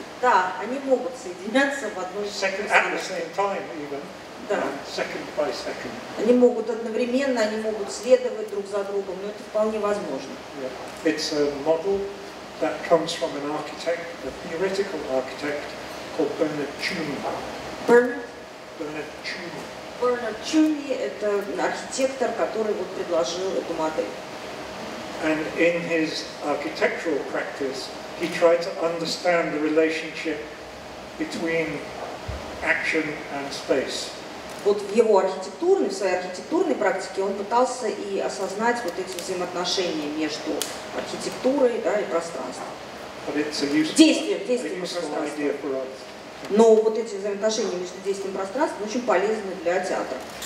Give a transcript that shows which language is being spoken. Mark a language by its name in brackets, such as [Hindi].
[Russian] Да, они могут соединяться в одной же постановке. [English] At the same time, even. [Russian] Да. [English] Second by second. [Russian] Они могут одновременно, они могут следовать друг за другом, но это вполне возможно. [English] Yeah. It's a model that comes from an architect, a theoretical architect called Bernard Tschumi. [Russian] Bernard Tschumi – это архитектор, который вот предложил эту модель. [English] And in his architectural practice, he tried to understand the relationship between action and space. [Russian] Вот в его архитектурной, в своей архитектурной практике он пытался и осознать вот эти взаимоотношения между архитектурой, да, и пространством. [English] But it's a useful, [Russian] действием пространства. Но вот эти взаимоотношения между действием и пространством очень полезны для театра.